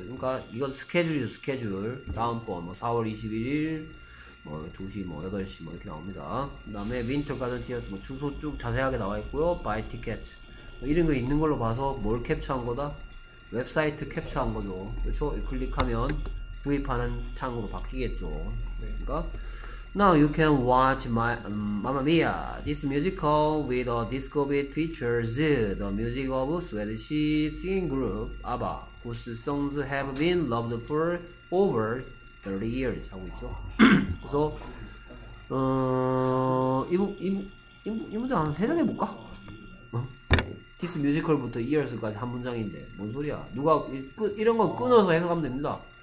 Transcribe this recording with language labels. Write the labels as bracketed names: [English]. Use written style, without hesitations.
[Korean] 그러니까 이건 스케줄이죠, 스케줄. 다음번 뭐 4월 21일. 뭐 2시 뭐 8시 뭐 이렇게 나옵니다. 그 다음에 윈터 가든 티어트 뭐 주소 쭉 자세하게 나와있고요. 바이 티켓 뭐 이런 거 있는 걸로 봐서 뭘 캡처한 거다? 웹사이트 캡처한 거죠. 그렇죠? 클릭하면 구입하는 창으로 바뀌겠죠. [English] 그러니까 Now you can watch my Mamma Mia this musical with a disco beat features the music of Swedish singing group ABBA whose songs have been loved for over 30 years [Korean] 하고 있죠. 그래서 이 문장 한번 해석해 볼까? 디스 뮤지컬부터 이어스까지 한 문장인데 뭔 소리야? 누가 이런 거 끊어서 해석하면 됩니다.